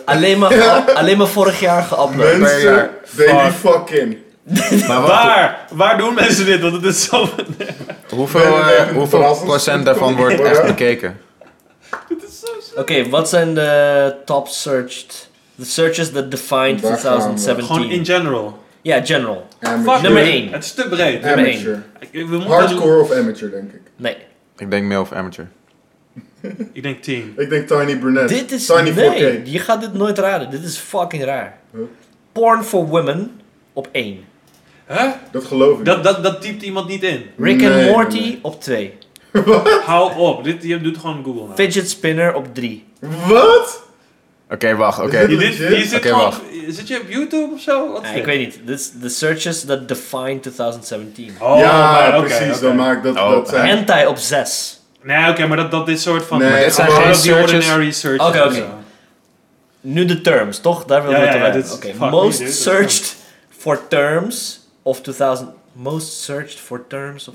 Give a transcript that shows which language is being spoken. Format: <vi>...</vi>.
<nl>Alleen maar vorig jaar geüpload. Mensen, baby fucking. Maar waar doen mensen dit? Want het is zo... hoeveel procent daarvan wordt echt bekeken? Oké, wat zijn de top searched...</nl> <en>The searches that defined 2017.</en> <nl>Gewoon in general? Ja, yeah, general. Nummer 1. Het is te breed. Amateur. Hardcore of amateur, denk ik. Nee. Ik denk male of amateur. Ik denk teen. Ik denk tiny brunette. Dit is... Tiny 4K. Nee, je gaat dit nooit raden. Dit is fucking raar. Huh? Porn for women op 1. Hè? Huh? Dat geloof ik. Dat typt iemand niet in. Rick and Morty op 2. Wat? Hou op. Dit, je doet gewoon Google nou. Fidget spinner op 3. Wat? Oké, wacht. Zit je op YouTube of zo? Ik weet niet.</nl> <en>This, the searches that define 2017.</en> <nl>Oh, ja, maar, okay, precies. Okay. Dan maak dat, oh, dat zijn. Hentai op 6. Nee, oké, maar dat is soort van... Nee, dit zijn geen searches. Oké. Nu de terms, toch? Daar willen we het over hebben.</nl> <en>Most searched for terms of 2000... Most searched for terms of...</en>